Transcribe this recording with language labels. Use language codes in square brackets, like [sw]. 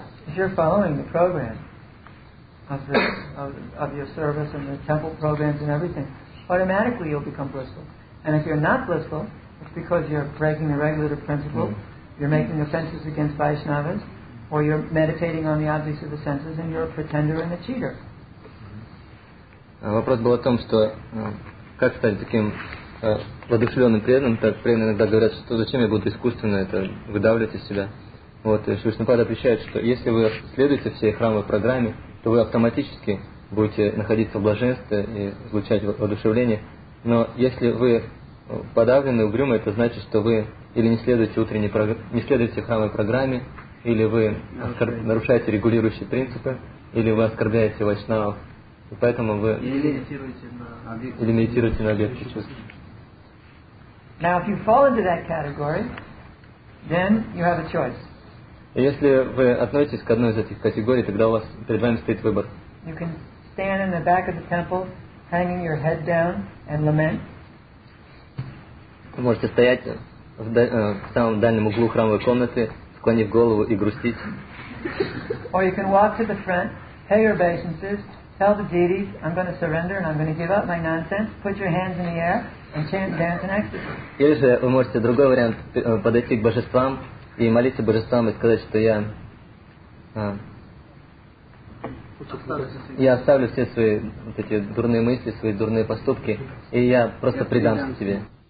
[en] If you're following the program of your service and the temple programs and everything, automatically you'll become blissful. And if you're not blissful, it's because you're breaking the regulative principle. Mm. You're making offenses against Vaishnavas, or you're meditating on the objects of the senses, and you're a pretender and a cheater. [ru] Вопрос был о том, что как стать таким воодушевленным преданным, так преданные иногда говорят, что зачем я буду искусственно это выдавливать из себя. Вот, и Вишнупада отвечает, что если вы следуете всей храмовой программе, то вы автоматически будете находиться в блаженстве и излучать воодушевление. Но если вы подавлены, угрюмы, это значит, что вы или не следуете утренней программе, не следуете храмовой программе, или вы нарушаете регулирующие принципы, или вы оскорбляете вайшнавов, и поэтому вы или медитируете на объекте чувств. [en] Now, if you fall into that category, then you have a choice. [ru] Если вы относитесь к одной из этих категорий, тогда у вас перед вами стоит выбор. [en] You can stand in the back of the temple, hanging your head down and lament. [ru] Вы можете стоять в самом дальнем углу храмовой комнаты, склонив голову и грустить. [en] Or you can walk to the front, pay your obeisances, tell the deities, I'm going to surrender and I'm going to give up my nonsense, put your hands in the air and chant, dance and ecstasy. [ru] Или же вы можете другой вариант подойти к божествам и молиться божествам и сказать, что я оставлю все свои вот эти дурные мысли, свои дурные поступки, и я просто предамся тебе.